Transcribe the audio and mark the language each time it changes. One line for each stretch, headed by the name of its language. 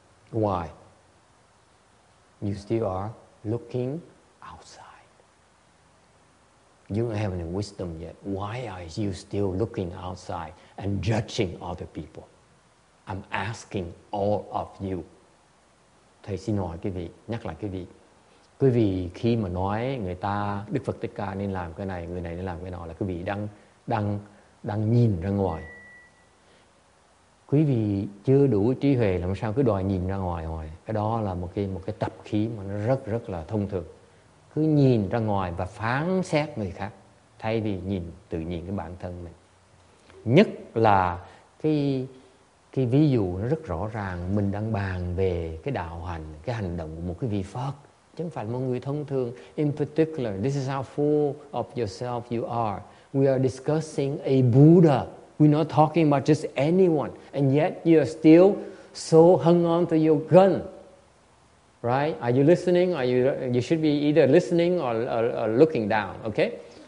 English: Why? You still are looking outside. You don't have any wisdom yet. Why are you still looking outside and judging other people? I'm asking all of you.
Vietnamese: Thầy xin hỏi quý vị, nhắc lại quý vị. Quý vị khi mà nói người ta, Đức Phật Thích Ca nên làm cái này, người này nên làm cái nọ là quý vị đang nhìn ra ngoài. Quý vị chưa đủ trí huệ làm sao cứ đòi nhìn ra ngoài hoài. Cái đó là một cái tập khí mà nó rất rất là thông thường. Cứ nhìn ra ngoài và phán xét người khác thay vì nhìn tự nhìn cái bản thân mình. Nhất là cái ví dụ nó rất rõ ràng, mình đang bàn về cái đạo hành, cái hành động của một cái vị Phật, chứ không phải một người thông thường.
English: In particular, this is how full of yourself you are. We are discussing a Buddha. We're not talking about just anyone. And yet you are still so hung on to your gun. Right? Are you listening? You should be either listening or looking down, okay?